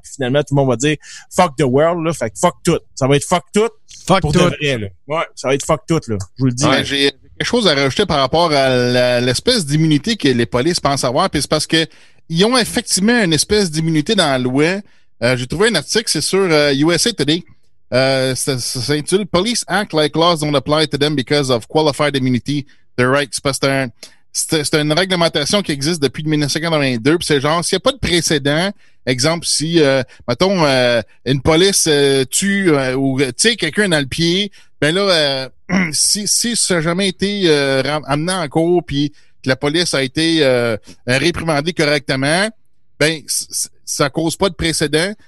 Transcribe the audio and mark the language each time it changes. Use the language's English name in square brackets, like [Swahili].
[French] Puis finalement, tout le monde va dire, [English] fuck the world, [French] là. Fait que fuck tout. Ça va être fuck tout. Fuck pour tout. De vrai, là. Ouais, ça va être fuck tout, là. Je vous le dis. Ouais, j'ai quelque chose à rajouter par rapport à l'espèce d'immunité que les polices pensent avoir. Puis c'est parce que ils ont effectivement une espèce d'immunité dans la loi. J'ai trouvé un article, c'est sur USA Today. Ça s'intitule [English] « Police act like laws don't apply to them because of qualified immunity, their rights ». [French] Parce que c'est une réglementation qui existe depuis 1982. Puis c'est genre, s'il n'y a pas de précédent, exemple, si, mettons, une police tue ou tire quelqu'un dans le pied, ben là, si ça n'a jamais été amené en cours, puis que la police a été réprimandée correctement, ben ça cause pas de précédent.